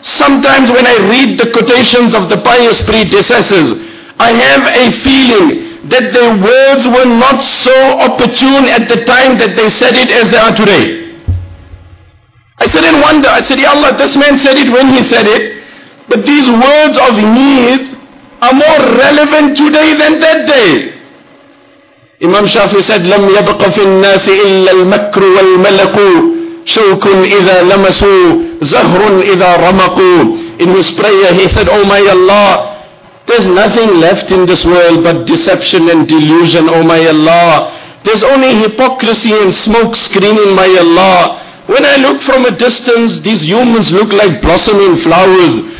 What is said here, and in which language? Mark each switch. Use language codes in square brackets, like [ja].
[en] Sometimes when I read the quotations of the pious predecessors, I have a feeling that their words were not so opportune at the time that they said it as they are today. I said in wonder, I said, Ya Allah, this man said it when he said it, but these words of his are more relevant today than that day. Imam Shafi said, [ar] لَمْ يَبْقَ فِي النَّاسِ إِلَّا الْمَكْرُ وَالْمَلَقُ شَوْكٌ إِذَا لَمَسُوا زَهْرٌ إِذَا رَمَقُوا. [en] In his prayer he said, Oh my Allah, there's nothing left in this world but deception and delusion, Oh my Allah. There's only hypocrisy and smoke screening, my Allah. When I look from a distance, these humans look like blossoming flowers.